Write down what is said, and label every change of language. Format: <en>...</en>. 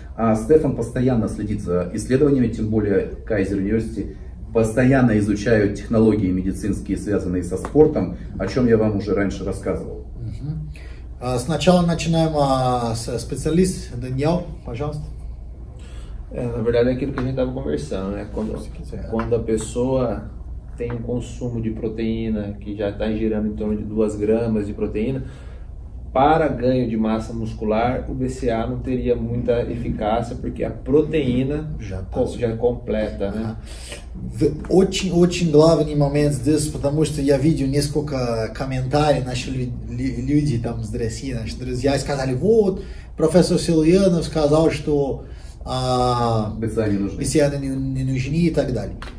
<ru>А Стефан постоянно следит за исследованиями, тем более Кайзер Университи постоянно изучают технологии медицинские, связанные со спортом, о чем я вам уже раньше рассказывал. Сначала начинаем с специалист Даниэл, пожалуйста.</ru> <pt>Na verdade, é aquilo que a gente estava conversando, né? Quando a pessoa tem um consumo de proteína que já está girando em torno de 2 gramas de proteína, para ganho de massa muscular, o BCA não teria muita eficácia, porque a proteína já completa, né?</pt> <ru>Очень, очень главный момент здесь, потому что я видел несколько комментариев, наши люди там из России, наши друзья, сказали, вот, профессор Силуянов сказал, что БЦА не нужны и так далее.</ru>